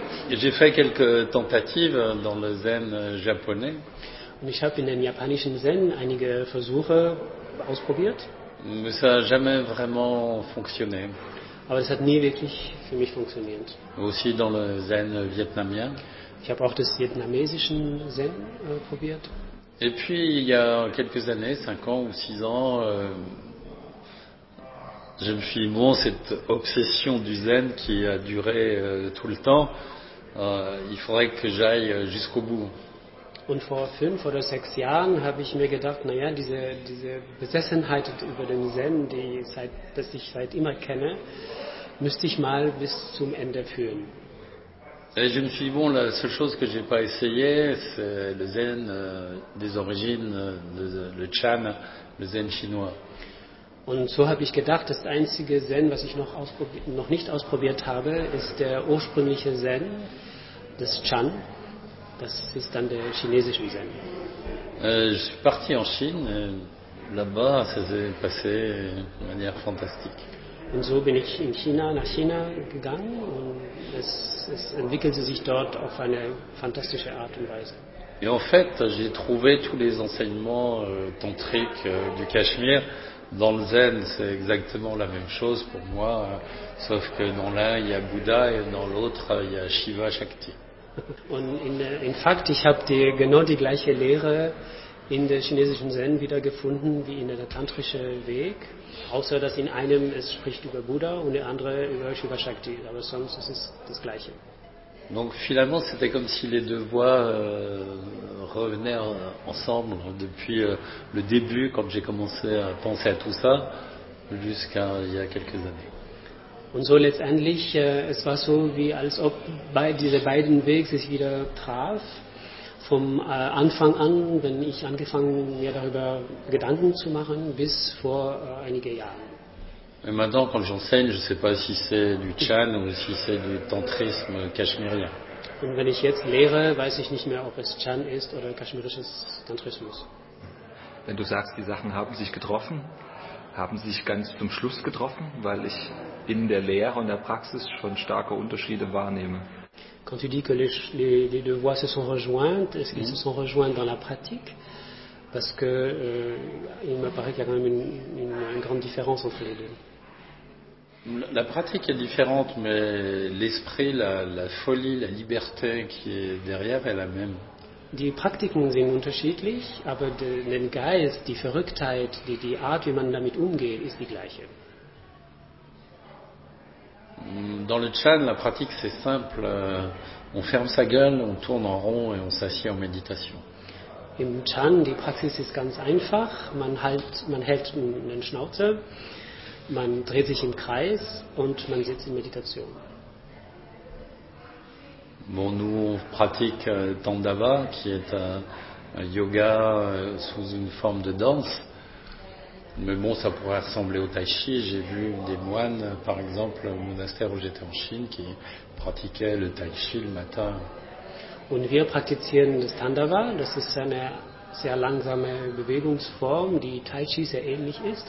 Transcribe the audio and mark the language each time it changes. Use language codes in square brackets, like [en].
[fr] J'ai fait quelques tentatives dans le zen japonais. [de] Und ich habe in den japanischen Zen einige Versuche ausprobiert. [fr] Mais ça n'a jamais vraiment fonctionné. [de] Aber es hat nie wirklich für mich funktioniert. [fr] Aussi dans le zen vietnamien. [de] Ich habe auch das vietnamesische Zen probiert. [fr] Et puis il y a quelques années, 5 ans ou 6 ans, je me suis dit, bon, cette obsession du zen qui a duré tout le temps, il faudrait que j'aille jusqu'au bout. [de] Und vor 5 oder 6 Jahren habe ich mir gedacht, naja, diese Besessenheit über den Zen, das ich seit immer kenne, müsste ich mal bis zum Ende führen. [fr] Et je me suis dit, bon, la seule chose que j'ai pas essayé, c'est le zen des origines, le chan, le zen chinois. [de] Und so habe ich gedacht, das einzige Zen, was ich noch nicht ausprobiert habe, ist der ursprüngliche Zen, das Chan. Das ist dann der chinesische Zen. [fr] Je suis parti en Chine, là-bas, ça s'est passé de manière fantastique. [de] Und so bin ich in China, nach China gegangen und es entwickelte sich dort auf eine fantastische Art und Weise. [fr] Et en fait, j'ai trouvé tous les enseignements tantriques du Kashmir dans le Zen. C'est exactement la même chose pour moi, sauf que dans l'un il y a Bouddha et dans l'autre il y a Shiva Shakti. [de] Und [en] in fact, [de] ich habe genau die gleiche Lehre in der chinesischen Zen wiedergefunden wie in der tantrische Weg. Außer dass in einem es spricht über Buddha und der andere über Shiva Shakti, aber sonst ist es das Gleiche. [fr] Donc finalement c'était comme si les deux voies revenaient ensemble depuis le début quand j'ai commencé à penser à tout ça jusqu'à il y a quelques années. [de] Und so letztendlich es war so wie als ob diese beiden Wege sich wieder traf. Vom Anfang an, wenn ich angefangen, mir darüber Gedanken zu machen, bis vor einige Jahren. [fr] Et maintenant, quand j'enseigne, je ne sais pas si c'est du Chan ou si c'est du tantrisme kashmirien. [de] Und wenn ich jetzt lehre, weiß ich nicht mehr, ob es Chan ist oder kashmirisches Tantrismus. Wenn du sagst, die Sachen haben sich getroffen, haben sie sich ganz zum Schluss getroffen, weil ich in der Lehre und der Praxis schon starke Unterschiede wahrnehme. [fr] Quand tu dis que les deux voies se sont rejointes, est-ce qu'elles se sont rejointes dans la pratique? Parce que il m'apparaît qu'il y a quand même une grande différence entre les deux. La pratique est différente, mais l'esprit, la folie, la liberté qui est derrière est la même. [de] Die Praktiken sind unterschiedlich, aber den Geist, die Verrücktheit, die Art, wie man damit umgeht, ist die gleiche. [fr] Dans le Chan, la pratique c'est simple. On ferme sa gueule, on tourne en rond et on s'assied en méditation. [de] Im Chan, die Praxis ist ganz einfach. Man hält einen Schnauze, man dreht sich im Kreis und man sitzt in Meditation. [fr] Bon, nous on pratique Tandava, qui est un yoga sous une forme de danse. Mais bon, ça pourrait ressembler au tai chi. J'ai vu des moines, par exemple, au monastère où j'étais en Chine, qui pratiquaient le tai chi le matin. [de] Und wir praktizieren das Tandava. Das ist eine sehr langsame Bewegungsform, die tai chi sehr ähnlich ist.